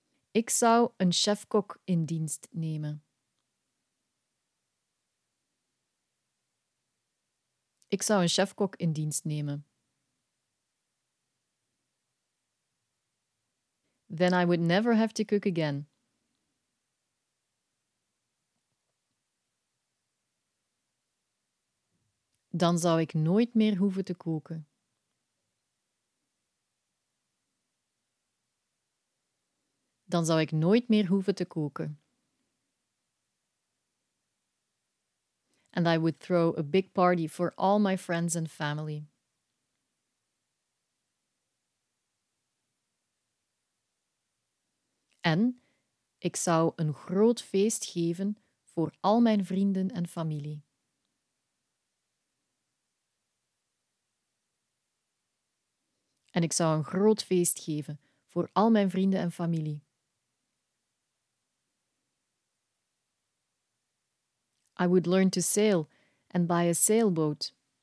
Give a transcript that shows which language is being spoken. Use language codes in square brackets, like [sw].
[nl] Ik zou een chef-kok in dienst nemen. Ik zou een chef-kok in dienst nemen. [en] Then I would never have to cook again. [nl] Dan zou ik nooit meer hoeven te koken. Dan zou ik nooit meer hoeven te koken. [en] And I would throw a big party for all my friends and family. [nl] En ik zou een groot feest geven voor al mijn vrienden en familie. En ik zou een groot feest geven voor al mijn vrienden en familie. [en] I would learn to sail and buy a sailboat.